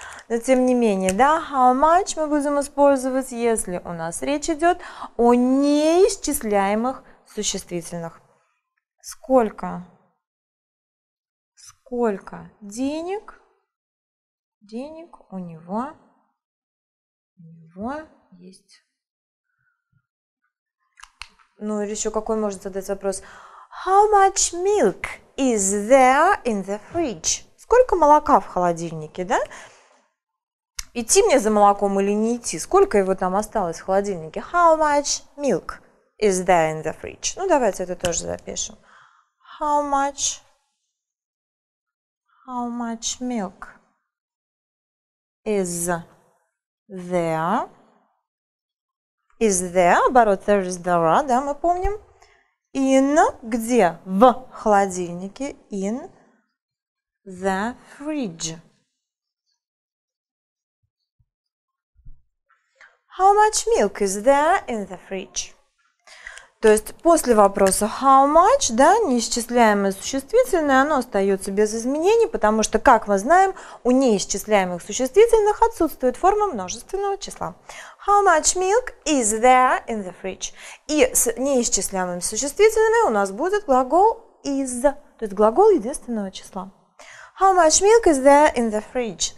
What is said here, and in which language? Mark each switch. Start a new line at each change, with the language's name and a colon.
Russian: Но тем не менее, да, how much мы будем использовать, если у нас речь идет о неисчисляемых существительных. Сколько? Сколько денег? Денег у него есть. Ну, или еще какой можно задать вопрос?
English: How much milk is there in the fridge?
Russian: Сколько молока в холодильнике, да? Идти мне за молоком или не идти? Сколько его там осталось в холодильнике?
English: How much milk is there in the fridge?
Russian: Ну, давайте это тоже запишем.
English: How much milk is there,
Russian: оборот,
English: there is there,
Russian: да, мы помним.
English: In,
Russian: где? В холодильнике.
English: In the fridge. How much milk is there in the fridge?
Russian: То есть после вопроса how much, да, неисчисляемое существительное, оно остается без изменений, потому что, как мы знаем, у неисчисляемых существительных отсутствует форма множественного числа.
English: How much milk is there in the fridge?
Russian: И с неисчисляемыми существительными у нас будет глагол is, то есть глагол единственного числа.
English: How much milk is there in the fridge?